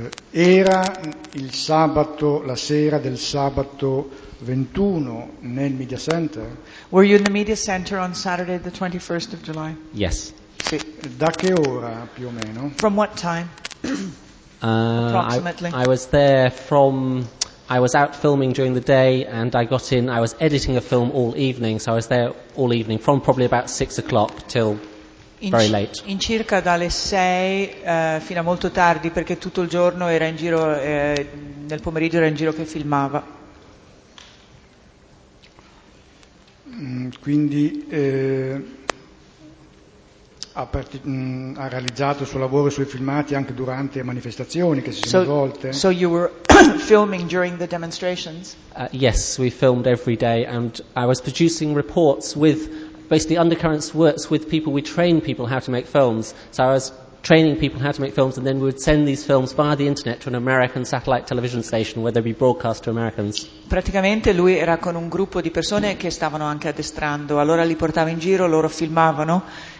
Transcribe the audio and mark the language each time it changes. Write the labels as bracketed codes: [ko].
[it] Era il sabato, la sera del sabato 21 nel Media Center? [en] Were you in the Media Center on Saturday the 21st of July? Yes. [it] Sì. Da che ora più o meno? [en] From what time? Approximately. I was there from... I was out filming during the day and I got in, I was editing a film all evening, so I was there all evening from probably about 6 o'clock till very late. [it] In circa dalle 6 fino a molto tardi, perché tutto il giorno era in giro, nel pomeriggio era in giro che filmava. Quindi ha realizzato il suo lavoro e i suoi filmati anche durante manifestazioni che si sono svolte. [en] So you were filming during the demonstrations? Yes, we filmed every day and I was producing reports with basically Undercurrents works with people, we train people how to make films. So I was training people how to make films and then we would send these films via the internet to an American satellite television station where they'd be broadcast to Americans. [it] Praticamente lui era con un gruppo di persone che stavano anche addestrando, allora li portava in giro, loro filmavano.